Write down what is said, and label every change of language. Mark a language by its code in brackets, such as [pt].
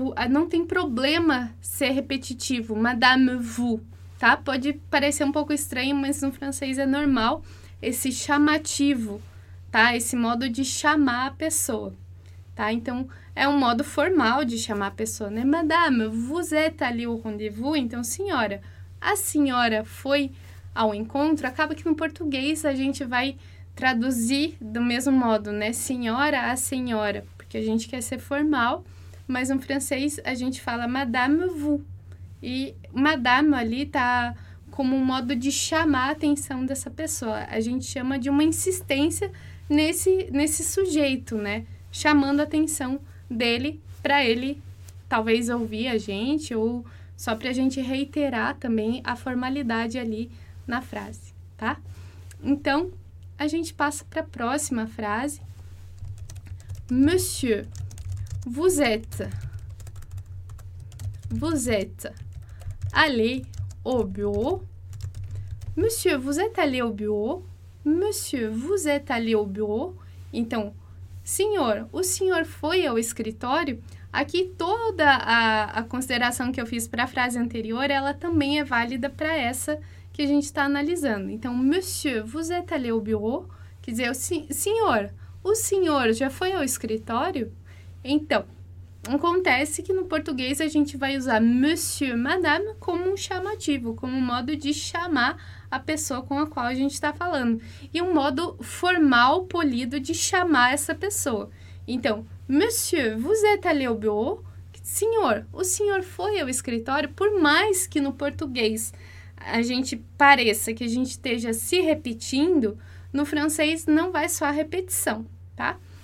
[pt] Não tem problema ser repetitivo, [fr] madame vous, [pt] tá? Pode parecer um pouco estranho, mas no francês é normal esse chamativo, tá? Esse modo de chamar a pessoa, tá? Então, é um modo formal de chamar a pessoa, né? [fr] Madame, vous êtes allé au rendez-vous? [pt] Então, senhora, a senhora foi ao encontro? Acaba que no português a gente vai traduzir do mesmo modo, né? Senhora a senhora, porque a gente quer ser formal, mas no francês a gente fala [fr] madame vous. [pt] E madame ali tá como um modo de chamar a atenção dessa pessoa. A gente chama de uma insistência nesse sujeito, né? Chamando a atenção dele para ele talvez ouvir a gente ou só para a gente reiterar também a formalidade ali na frase, tá? Então, a gente passa para a próxima frase. [fr] Monsieur, vous êtes allé au bureau? Monsieur, vous êtes allé au bureau? Monsieur, vous êtes allé au bureau? [pt] Então, senhor, o senhor foi ao escritório? Aqui toda a consideração que eu fiz para a frase anterior, ela também é válida para essa que a gente está analisando. Então, [fr] monsieur, vous êtes allé au bureau? [pt] Quer dizer, senhor, o senhor já foi ao escritório? Então, acontece que no português a gente vai usar monsieur, madame como um chamativo, como um modo de chamar a pessoa com a qual a gente está falando. E um modo formal, polido de chamar essa pessoa. Então, [fr] monsieur, vous êtes allé au bureau? [pt] Senhor, o senhor foi ao escritório? Por mais que no português a gente pareça que a gente esteja se repetindo, no francês não vai soar repetição, tá?